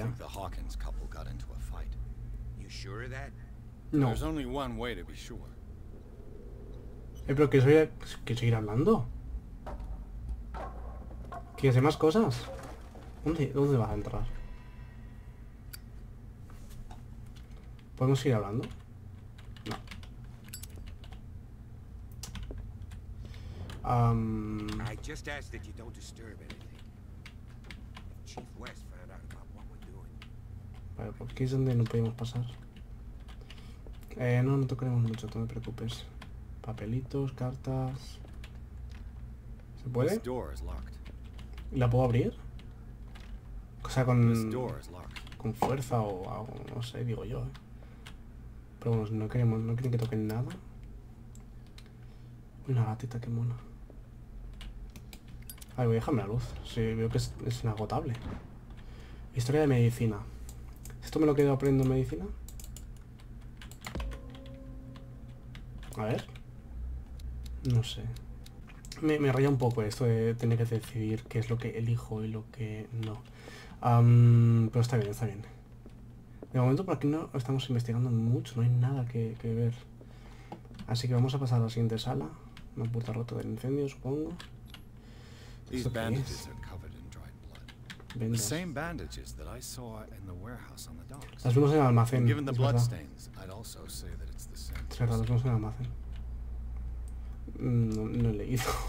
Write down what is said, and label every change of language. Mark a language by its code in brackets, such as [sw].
[en] I think the Hawkins couple got into a fight. You sure of that? No. There's only one way to be sure. [es] Pero que soy que seguir hablando. ¿Qué hace más cosas? ¿Dónde vas a entrar? ¿Podemos seguir hablando? No. [en] I just ask that you don't disturb anything. If Chief West found out about what we're doing. [es] Vale, ¿por qué es donde no podemos pasar? No tocaremos mucho, no te preocupes. Papelitos, cartas. ¿Se puede? [en] This door is locked. [es] ¿La puedo abrir? O sea, con. Con fuerza o algo, no sé, digo yo. Pero bueno, no quieren que toquen nada. Una gatita, qué mona. Ay, voy a dejarme la luz. Sí, veo que es inagotable. Historia de medicina. ¿Esto me lo quedo aprendiendo en medicina? A ver. No sé. Me raya un poco esto de tener que decidir qué es lo que elijo y lo que no. Pero está bien, está bien. De momento por aquí no estamos investigando mucho. No hay nada que ver. Así que vamos a pasar a la siguiente sala. Una puerta rota del incendio, supongo. [en] These bandages are covered in dried blood. The same bandages that I saw in the warehouse on the docks. [es] Las vimos en el almacén. [en] Given the blood stains, I'd also say that it's the same. [es] Es verdad, las vimos en el almacén. No, no he leído.